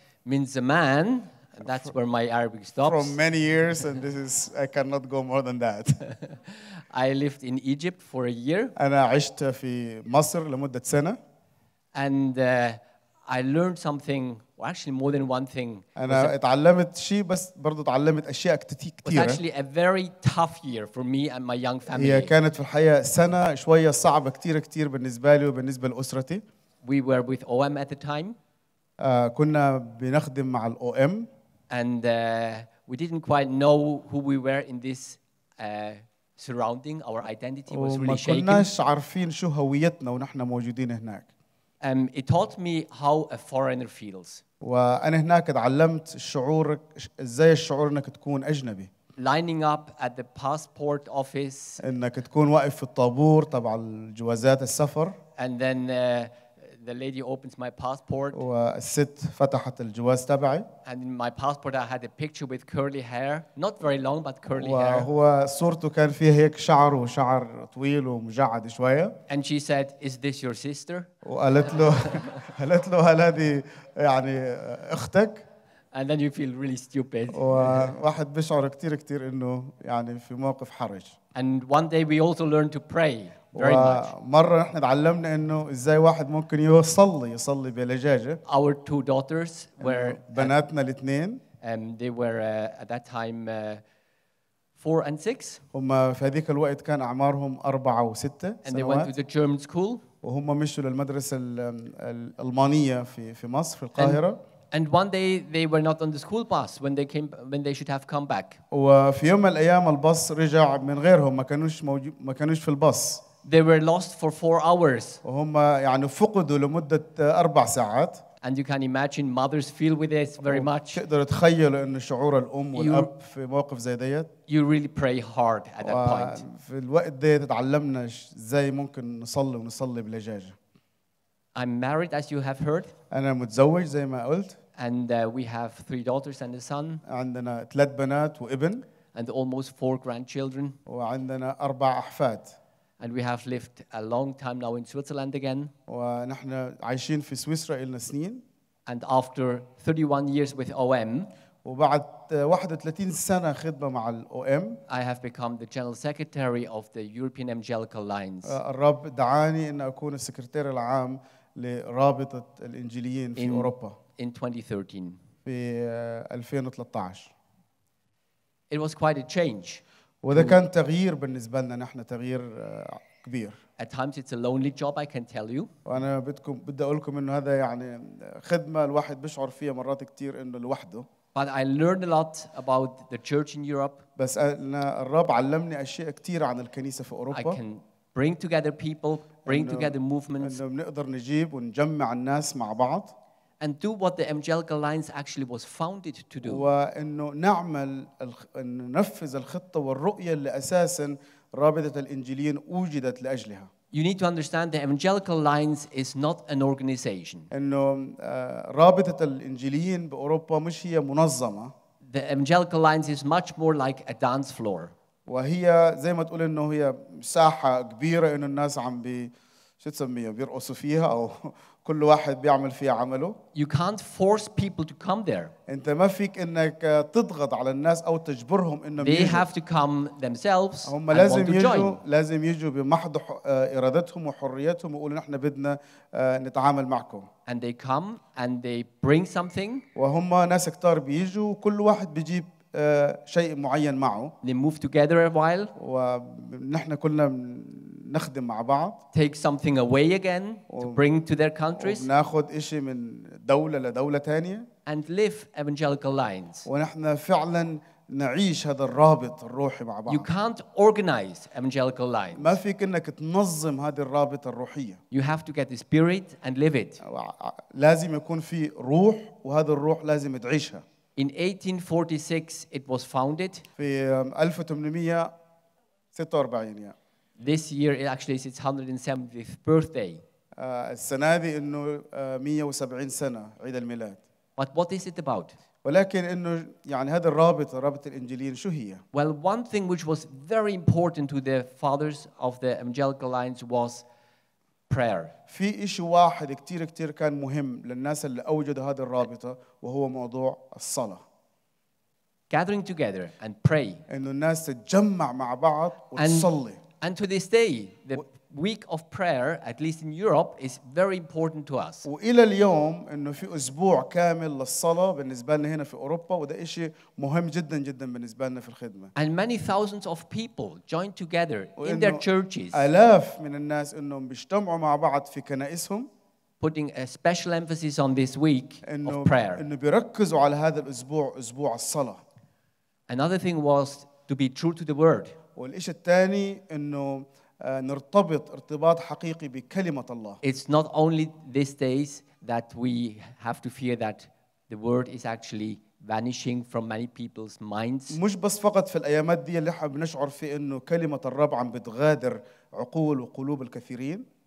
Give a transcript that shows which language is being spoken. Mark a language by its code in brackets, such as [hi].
[ar] من زمان. [en] That's where my Arabic stops. From many years, and this is I cannot go more than that. I lived in Egypt for a year. [ar] أنا عشت في مصر لمدة سنة. [en] And I learned something, or actually more than one thing. [ar] أنا اتعلمت شيء بس برضو اتعلمت أشياء كتير. [en] It was actually a very tough year for me and my young family. [ar] هي كانت في الحقيقة سنة شوية صعبة كتير كتير بالنسبة لي وبالنسبة لأسرتي. [en] We were with OM at the time. [ar] كنا بنخدم مع الـ OM. [en] And we didn't quite know who we were in this surrounding. Our identity was really shaken. [ar] وما كناش عارفين شو هويتنا ونحن موجودين هناك. [en] It taught me how a foreigner feels. [ar] وأنا هناك تعلمت شعورك إزاي الشعور إنك تكون أجنبي. [en] Lining up at the passport office. [ar] إنك تكون واقف في الطابور تبع الجوازات السفر. [en] And then the lady opens my passport. [ar] والست فتحت الجواز تبعي. [en] And in my passport I had a picture with curly hair, not very long but curly [ar] وهو [en] hair. [ar] وهو صورته كان فيها هيك شعر وشعر طويل ومجعد شوية. [en] And she said, "Is this your sister?" [ar] وقالت له قالت له هل هذه يعني أختك؟ [en] And then you feel really stupid. [ar] وواحد بشعر كتير كتير إنه يعني في موقف حرج. [en] And one day we also learned to pray. [ar] ومرة إحنا تعلمنا إنه إزاي واحد ممكن يصلي بلجاجة. [en] Our two daughters were [ar] بناتنا الاثنين. [en] They were at that time 4 and 6. [ar] هما في هذيك الوقت كان أعمارهم 4 و6 سنوات. [en] And they went to the German school. [ar] وهم مشوا للمدرسة الألمانية في مصر في القاهرة. [en] And one day they were not on the school bus when they came when they should have come back. [ar] وفي يوم من الأيام الباص رجع من غيرهم ما كانوش في الباص. [en] They were lost for 4 hours. [ar] وهم يعني فقدوا لمدة 4 ساعات. [en] And you can imagine mothers feel with this very much. [ar] تقدر تخيل إن شعور الأم والأب في موقف زي ديت. [en] You really pray hard at that point. [ar] في الوقت ده تعلمنا زي ممكن نصلي ونصلي بلجاجة. [en] I'm married, as you have heard. [ar] أنا متزوج زي ما قلت. [en] And we have 3 daughters and a son. [ar] عندنا 3 بنات وابن. [en] And almost 4 grandchildren. [ar] وعندنا 4 أحفاد. [en] And we have lived a long time now in Switzerland again. [ar] ونحن عايشين في سويسرا لنا سنين. [en] And after 31 years with OM. [ar] وبعد 31 سنة خدمة مع OM. [en] I have become the general secretary of the European Evangelical Lines. [ar] الرب دعاني إن أكون السكرتير العام لرابطة الإنجيليين في أوروبا. [en] In 2013. [ar] في 2013. [en] It was quite a change. [ar] وده كان تغيير بالنسبة لنا نحن تغيير كبير. [en] At times it's a lonely job, I can tell you. [ar] وأنا بدي أقول لكم إنه هذا يعني خدمة الواحد بيشعر فيها مرات كتير إنه لوحده. [en] But I learned a lot about the church in Europe. [ar] بس أنا الرب علمني أشياء كتير عن الكنيسة في أوروبا. [en] I can bring together people, bring together movements. [ar] إنه بنقدر نجيب ونجمع الناس مع بعض. [en] And do what the Evangelical Lines actually was founded to do. [ar] وإنه نعمل ننفذ الخطة والرؤية اللي أساساً رابطة الإنجيليين وجدت لأجلها. [en] You need to understand the Evangelical Lines is not an organization. [ar] إنه رابطة الإنجيليين بأوروبا مش هي منظمة. [en] The Evangelical Lines is much more like a dance floor. [ar] وهي زي ما تقول إنه هي ساحة كبيرة إنه الناس عم شو تسميها بيرقصوا فيها أو كل واحد بيعمل فيها عمله. [en] You can't force people to come there. [ar] أنت ما فيك إنك تضغط على الناس أو تجبرهم إنهم. [en] They have to come themselves. [ar] هم لازم يجوا بمحض إرادتهم وحريتهم ويقولوا نحن بدنا نتعامل معكم. [en] And they come and they bring something. [ar] وهم ناس كتار بيجوا كل واحد بيجيب شيء معين معه. [en] They move together a while. [ar] ونحن كلنا نخدم مع بعض. [en] Take something away again to bring to their countries. [ar] ناخد إشي من دولة لدولة تانية. [en] And live evangelical lines. [ar] ونحن فعلا نعيش هذا الرابط الروحي مع بعض. [en] You can't organize evangelical lines. [ar] ما فيك إنك تنظم هذه الرابطة الروحية. [en] You have to get the spirit and live it. [ar] لازم يكون في روح وهذا الروح لازم تعيشها. [en] In 1846 it was founded. [ar] في 1846 يا. [en] This year it actually is its 170th birthday. [ar] السنة دي إنه 170 سنة عيد الميلاد. [en] But what is it about? [ar] ولكن إنه يعني هذا رابط الإنجيليين شو هي؟ [en] Well, one thing which was very important to the fathers of the Evangelical Lines was prayer. [ar] في إشي واحد كتير كتير كان مهم للناس اللي أوجدوا هذا الرابطة وهو موضوع الصلاة. [en] Gathering together and pray. [ar] إنه الناس تجمع مع بعض وتصلي. [en] And to this day, the week of prayer, at least in Europe, is very important to us. [ar] وإلى اليوم إنه في أسبوع كامل للصلاة بالنسبة لنا هنا في أوروبا وده إشي مهم جدا جدا بالنسبة لنا في الخدمة. [en] And many thousands of people join together in their churches. [ar] آلاف من الناس إنهم بيجتمعوا مع بعض في كنائسهم. [en] Putting a special emphasis on this week of prayer. [ar] إنه بيركزوا على هذا الأسبوع أسبوع الصلاة. [en] Another thing was to be true to the word. [ar] والإشي الثاني إنه نرتبط ارتباط حقيقي بكلمة الله. [en] It's not only these days that we have to fear that the word is actually vanishing from many people's minds. [ar] مش بس فقط في الأيامات دي اللي إحنا بنشعر فيه إنه كلمة الرب عم بتغادر عقول وقلوب الكثيرين.